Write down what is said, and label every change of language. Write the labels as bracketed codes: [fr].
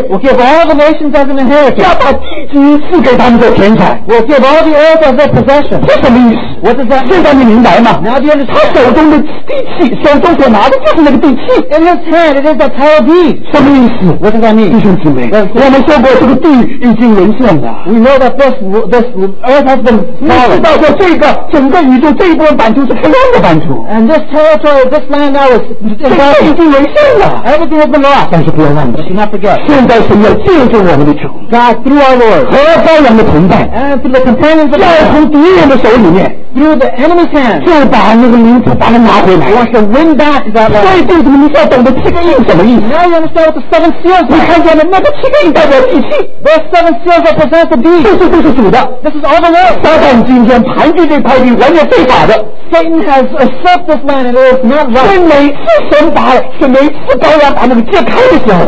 [en] will give all the nations as an inheritance, [zh] 要把地基赐给他们做田产, [en] will give all the earth as their possession. [zh] 这什么意思? [en] What does that mean? [zh] 现在你明白吗? [en] Now do you understand? [zh] 他手中的地契, 手中所拿的就是那个地契, [en] in his hand it is the title deed. [zh] 什么意思? [en] What does that mean? [zh] 弟兄姊妹, 我们说过这个地已经沦陷了, [en] we know that this earth has been fallen. [zh] 你知道说这个整个宇宙这一部分版图是黑暗的版图, [en] and this territory of this land now is, everything has been lost. [zh] 但是不要忘了, [en] but do not forget, God through our Lord, [zh] 和羔羊的同伴, [en] and through the companions of God, [zh] 要从敌人的手里面, [en] through the enemy's hand, [zh] 就把那个名字把它拿回来, [en] wants to win back that land. [zh] 所以弟兄们,你需要懂得七个印什么意思? [en] Now you understand what the seven seals are. [zh] 你看见了,那个七个印代表地契, [en] those seven seals represent the deed. [zh] 这是主的, [en] this is all the Lord. [zh] 撒旦今天盘踞这块地,完全非法的, [en] Satan has usurped this land, and it is not right. [zh] 是神把每次羔羊把那个揭开的时候,